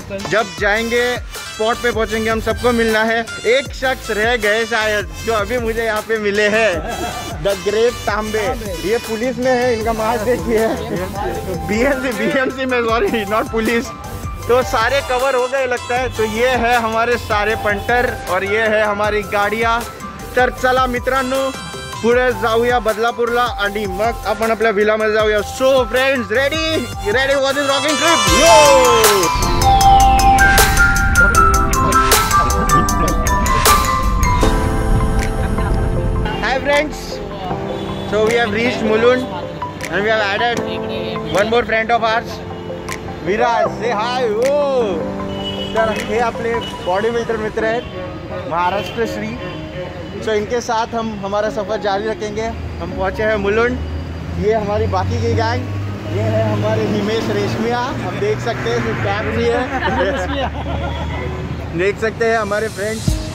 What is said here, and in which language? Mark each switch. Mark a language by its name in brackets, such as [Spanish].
[Hindi] जब जाएंगे स्पॉट पे पहुंचेंगे हम सबको मिलना है। एक शख्स रह गए शायद जो अभी मुझे यहाँ पे मिले हैं, द ग्रेट तांबे। ये पुलिस में है, इनका मास्क देखिए, बीएमसी में, [English] Sorry not police. [Hindi] तो सारे कवर हो गए लगता है। तो ये है हमारे सारे पंटर और ये है हमारी गाड़िया। [Marathi] तर चला मित्रांनो पुढे जाऊया बदलापूरला आणि मग आपण आपल्या विला मध्ये जाऊया। [English] So friends ready, ready for this rocking trip. Yo hi friends, so we have reach Mulund and we have added one more friend of ours Viraj. Say hi. [Marathi] O sir, हे आपले बॉडी बिल्डर मित्र आहेत Maharashtra Shri. [Hindi] सो इनके साथ हम हमारा सफर जारी रखेंगे। हम पहुँचे हैं मुलुंड, ये हमारी बाकी की गैंग, ये है हमारे हिमेश रेशमिया, आप देख सकते हैं कैप भी है, देख सकते हैं हमारे फ्रेंड्स।